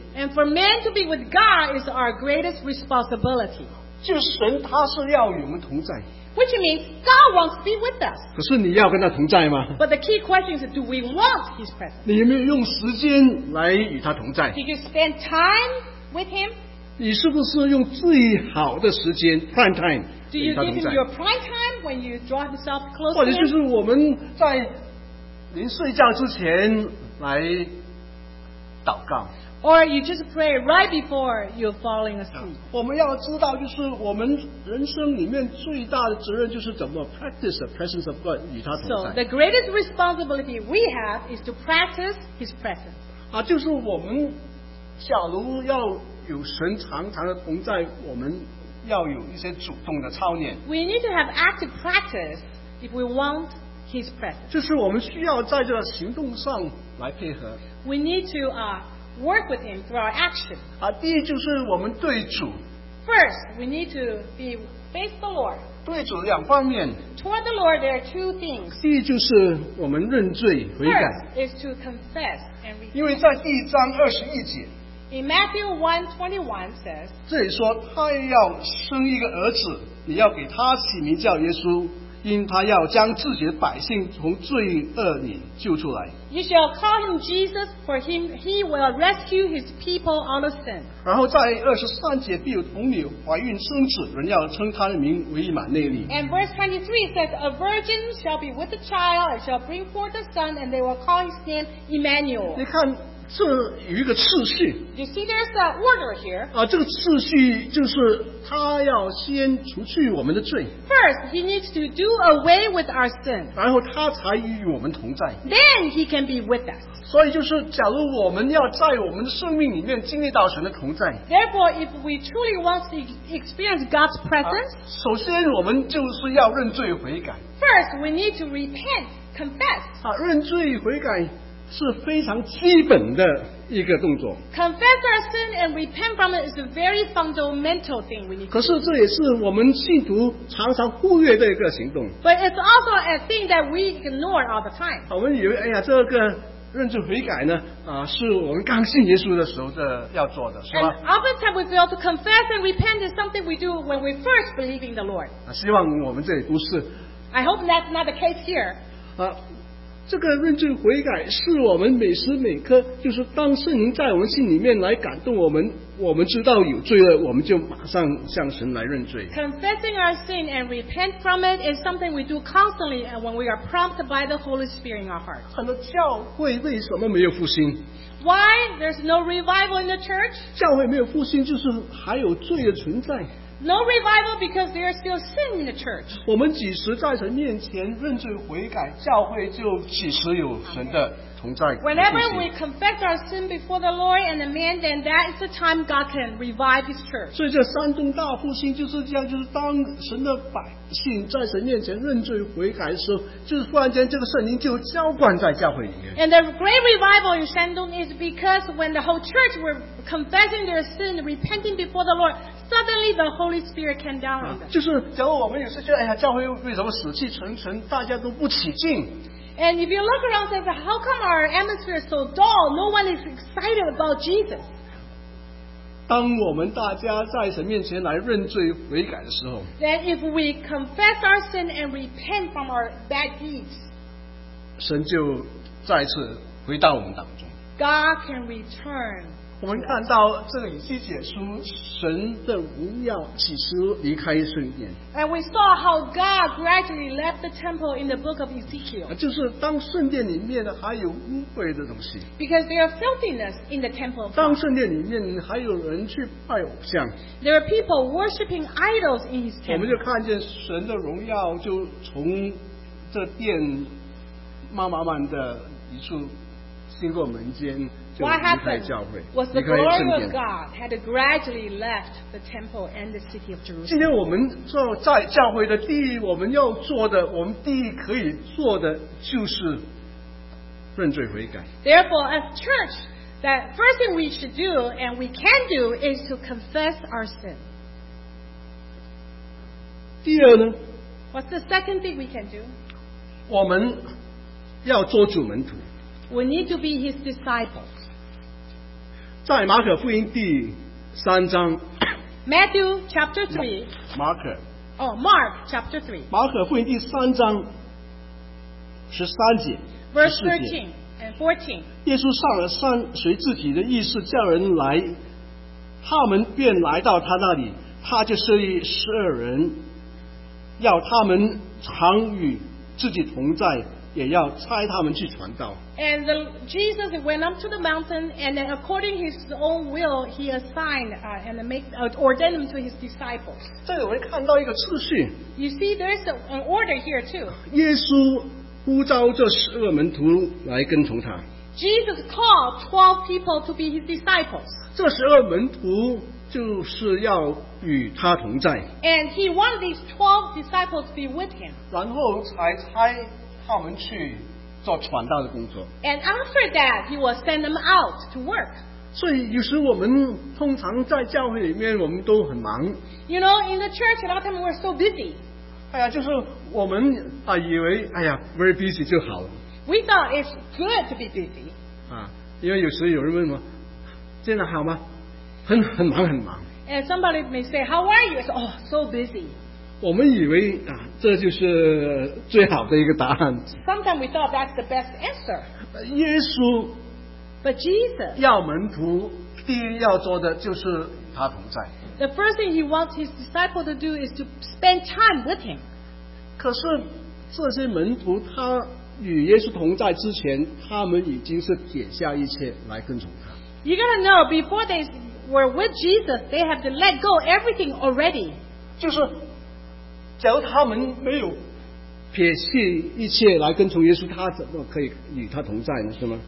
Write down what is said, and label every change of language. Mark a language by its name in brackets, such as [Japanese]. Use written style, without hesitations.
[English] And for man to be with God is our greatest responsibility. [Chinese] 就神他是要与我们同在。 [English] Which means God wants to be with us. [Chinese] 可是你要跟他同在吗？ [English] But the key question is, do we want his presence? [Chinese] 你有没有用时间来与他同在？ [English] Do you spend time with him? [Chinese] 你是不是用最好的时间 [English] prime time [Chinese] 跟他同在？ [English] Do you give him your prime time when you draw himself close to him? [Chinese] 或者就是我们在临睡觉之前来祷告。 [English] Or you just pray right before you're falling asleep. [Chinese] 我们要知道，就是我们人生里面最大的责任，就是怎么 [English] practice the presence of God [Chinese] 与他同在。 [English] So the greatest responsibility we have is to practice His presence. [Chinese] 啊，就是我们假如要有神常常的同在，我们要有一些主动的操练。 [English] We need to have active practice if we want His presence. [Chinese] 就是我们需要在这个行动上来配合。 [English] We need to work with Him through our action. [Chinese] 啊，第一就是我们对主。 [English] First, we need to be face the Lord. [Chinese] 对主两方面。 [English] Toward the Lord, there are two things. [Chinese] 第一就是我们认罪悔改。 [English] First is to confess and repent. [Chinese] 因为在1章21节。 [English] In Matthew 1:21 says, [Chinese] 这里说他要生一个儿子，你要给他起名叫耶稣，因他要将自己的百姓从罪恶里救出来。 [English] You shall call him Jesus, for him he will rescue his people out of sin. [Chinese] 然后在23节必有童女怀孕生子，人要称他的名为以马内利。 [English] And verse 23 says, a virgin shall be with the child and shall bring forth the son, and they will call his name Emmanuel. [Chinese] 你看这有一个次序。 [English] You see, there's that order here. [Chinese] 啊，这个次序就是他要先除去我们的罪。 [English] First, he needs to do away with our sin. [Chinese] 然后他才与我们同在。 [English] Then he can be with us. [Chinese] 所以就是，假如我们要在我们的生命里面经历到神的同在。 [English] Therefore, if we truly want to experience God's presence, [Chinese] 首先我们就是要认罪悔改。 [English] First, we need to repent, confess. [Chinese] 啊，认罪悔改。是非常基本的一个动作。 [English] Confess our sin and repent from it is a very fundamental thing we need. [Chinese] 可是这也是我们信徒常常忽略的一个行动。 [English] But it's also a thing that we ignore all the time. [Chinese] 我们以为，哎呀，这个认罪悔改呢，啊，是我们刚信耶稣的时候的要做的，是吧 [English] ？And oftentimes we feel to confess and repent is something we do when we first believe in the Lord. [Chinese] 啊，希望我们这里不是。 [English] I hope that's not the case here. 啊。 [Chinese] 这个认罪悔改是我们每时每刻，就是当圣灵在我们心里面来感动我们，我们知道有罪了，我们就马上向神来认罪。 [English] Confessing our sin and repent from it is something we do constantly when we are prompted by the Holy Spirit in our heart. [Chinese] 很多教会为什么没有复兴？ [English] Why there's no revival in the church? [Chinese] 教会没有复兴，就是还有罪的存在。 [English] No revival because there is still sin in the church. [Chinese] 我们几时在神面前认罪悔改，教会就几时有神的同在。 [English] Whenever we confess our sin before the Lord and the man, then that is the time God can revive His church. [Chinese] 所以这山东大复兴就是这样，就是当神的百姓在神面前认罪悔改的时候，就是突然间这个圣灵就浇灌在教会里面。 [English] And the great revival in Shandong is because when the whole church were confessing their sin, repenting before the Lord, suddenly the Holy Spirit came down on them. [Chinese] 就是假如我们有时觉得，哎呀，教会为什么死气沉沉，大家都不起劲？ [English] And if you look around and say, how come our atmosphere is so dull? No one is excited about Jesus. [Chinese] 当我们大家在神面前来认罪悔改的时候， [English] then if we confess our sin and repent from our bad deeds, [Chinese] 神就再次回到我们当中。 [English] God can return. [Chinese] 我们看到这个以西结书，神的荣耀几时离开一瞬间。 [English] And we saw how God gradually left the temple in the book of Ezekiel. [Chinese] 就是当圣殿里面还有污秽的东西。 [English] Because there are filthiness in the temple. [Chinese] 当圣殿里面还有人去拜偶像。 [English] There are people worshiping idols in his temple. [Chinese] 我们就看见神的荣耀就从这殿慢的一处经过门间。 [English] What happened was the glory of God had gradually left the temple and the city of Jerusalem. [Chinese] 今天我们做在教会的第一，我们要做的，我们第一可以做的就是认罪悔改。 [English] Therefore, as church, that first thing we should do and we can do is to confess our sin. [Chinese] 第二呢？ [English] What's the second thing we can do? [Chinese] 我们要做主门徒。 [English] We need to be his disciples. [Chinese] 在马可福音第三章。 [English] Matthew chapter 3. Mark chapter 3. [Chinese] 马可福音第三章十三节。 [English] Verse 13 and 14. [Chinese] 耶稣上了山，随自己的意思叫人来，他们便来到他那里，他就设立十二人，要他们常与自己同在，也要差他们去传道。 [English] And Jesus went up to the mountain, and then according his own will, he assigned ordained them to his disciples. [Chinese] 这里我们看到一个次序。 [English] You see, there's an order here too. [Chinese] 耶稣呼召这十二门徒来跟从他。 [English] Jesus called 12 people to be his disciples. [Chinese] 这十二门徒就是要与他同在。 [English] And he wanted these 12 disciples to be with him. [Chinese] 然后才差他们去。做传道的工作。 [English] And after that, he will send them out to work. [Chinese] 所以有时我们通常在教会里面，我们都很忙。 [English] You know, in the church, a lot of times we're so busy. [Chinese] 哎呀，就是我们啊，以为哎呀 ， [English] very busy [Chinese] 就好了。 [English] We thought it's good to be busy. [Chinese] 啊，因为有时有人问我，现在好吗？很忙。 [English] And somebody may say, "How are you?" Oh, so busy. [Chinese] 我们以为啊，这就是最好的一个答案。 [English] Sometimes we thought that's the best answer. [Chinese] 耶稣 [English] ，But Jesus [Chinese] 要门徒第一要做的就是他同在。 [English] The first thing he wants his disciple to do is to spend time with him. [Chinese] 可是这些门徒他与耶稣同在之前，他们已经是撇下一切来跟从他。 [English] You gotta know before they were with Jesus, they have to let go everything already. [Chinese] 就是。假如他们没有撇弃一切来跟从耶稣，他怎么可以与他同在呢？是吗